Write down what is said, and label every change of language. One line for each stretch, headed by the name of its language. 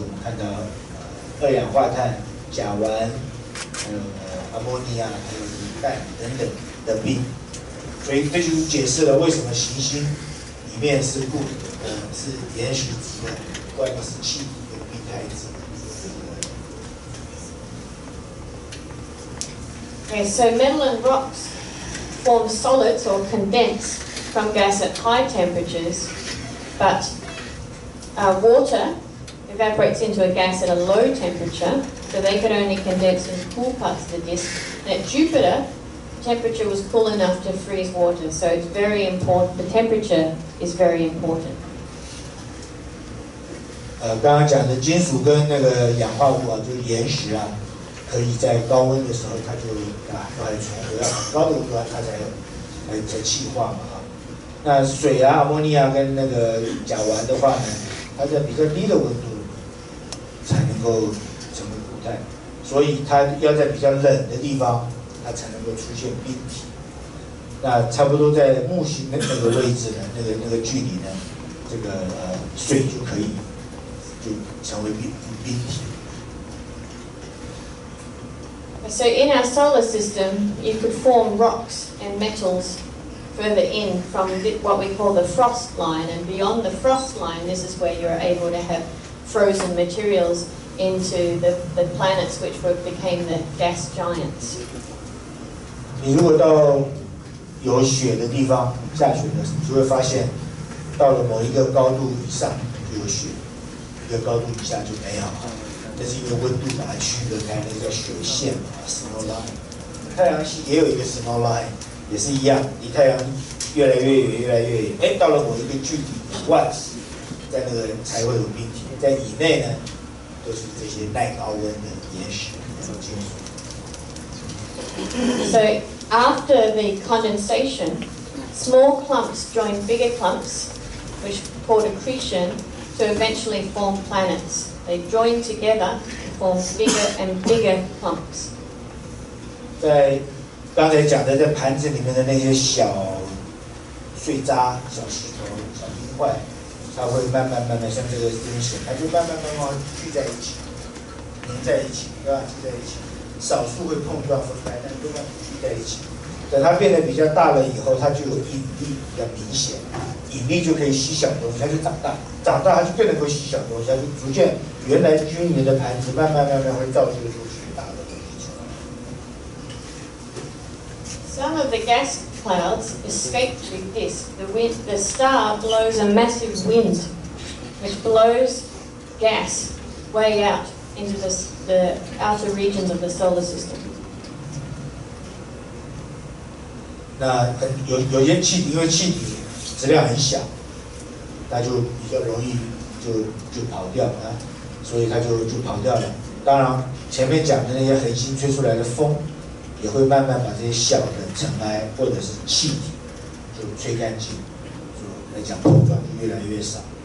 Chinese: 我们看到二氧化碳、甲烷，还有ammonia，还有乙氮等等的冰。所以这就解释了为什么行星里面是固体的，是岩石质的，外面是气体的冰态质。
English: Form solids or condense from gas at high temperatures, but water evaporates into a gas at a low temperature, so they could only condense in cool parts of the disk. At Jupiter, temperature was cool enough to freeze water, so it's very important. The temperature is very important.
Chinese: 刚刚讲的金属跟那个氧化物啊，就是岩石啊。可以在高温的时候，它就它的存活要很高的温度，它才气化嘛。那水啊、阿摩尼亚跟那个甲烷的话呢，它在比较低的温度才能够成为固态，所以它要在比较冷的地方，它才能够出现冰体。那差不多在木星的那个位置呢，那个距离呢，这个水就可以就成为冰体。
English: So in our solar system, you could form rocks and metals further in from what we call the frost line. And beyond the frost line, this is where you're able to have frozen materials into the planets, which became the gas giants.
Chinese: 你如果到有雪的地方下雪的时候，就会发现到了某一个高度以上就有雪，一个高度以下就没有。这是因为温度把它区隔开，那个叫雪线嘛 ，snow line。太阳系也有一个 snow line， 也是一样，离太阳越来越远，越来越远。到了某一个距离以外，在那个才会有冰体，在以内呢，都是这些耐高温的岩石、金属。
English: So after the condensation, small clumps join bigger clumps, which called accretion, to eventually form planets. They join together to form bigger and bigger clumps.
Chinese: 在刚才讲的，在盘子里面的那些小碎渣、小石头、小冰块，它会慢慢慢慢像这个晶石，它就慢慢慢慢聚在一起，凝在一起，对吧？聚在一起，少数会碰撞分开，但都慢慢聚在一起。等它变得比较大了以后，它就有引力比较明显，引力就可以吸小东西，它就长大，长大它就变得会吸小东西，它就逐渐原来均匀的盘子慢慢慢慢会造就出巨大的东西。
English: Some of the gas clouds escape through this. The wind, the star blows a massive wind, which blows gas way out into the outer regions of the solar system.
Chinese: 那有些气体，因为气体质量很小，它就比较容易就跑掉啊，所以它就跑掉了。当然，前面讲的那些恒星吹出来的风，也会慢慢把这些小的尘埃或者是气体就吹干净，就来讲碰撞就越来越少。